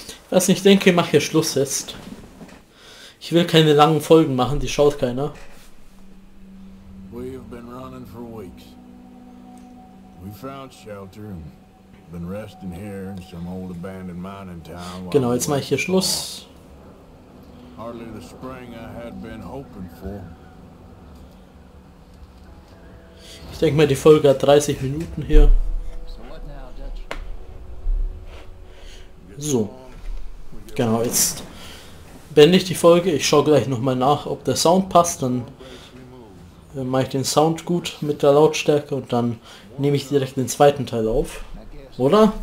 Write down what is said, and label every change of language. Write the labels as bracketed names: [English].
[German] Was ich denke, mach hier Schluss jetzt. Ich will keine langen Folgen machen, die schaut keiner. [English] We've been running for weeks. We found shelter and been resting here in some old abandoned mining town. [German] Genau, jetzt mache ich hier Schluss. [English] Hardly the spring I had been hoping for. [German] Ich denke mal, die Folge hat 30 Minuten hier. So. Genau, jetzt beende ich die Folge. Ich schaue gleich nochmal nach, ob der Sound passt. Dann mache ich den Sound gut mit der Lautstärke und dann nehme ich direkt den zweiten Teil auf. Oder?